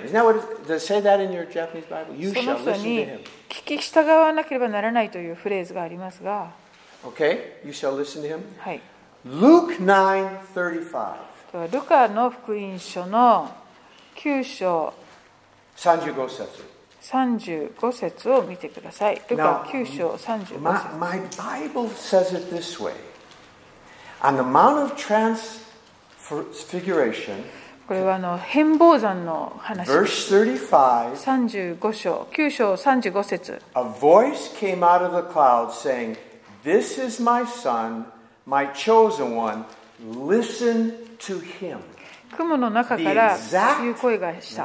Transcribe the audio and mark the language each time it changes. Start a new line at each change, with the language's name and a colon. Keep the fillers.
English: Isn't that what it does say that in your Japanese Bible? You shall listen to him.
Japanese: 聞き従わなければならないというフレーズがありますが。
English: Okay, you shall listen to him.Luke、はい、9:35.
Japanese: ではルカの福音書の9章 35節 35節を見てください。ルカ9章35節。
English: My, my Bible says it this way: on the Mount of Transfiguration,
Japanese: これはあの変貌山の話です。 35 章、9章35節。
English: A voice came out of the cloud saying, This is my son, my chosen one, listen to
Japanese: 雲の中からという声がした。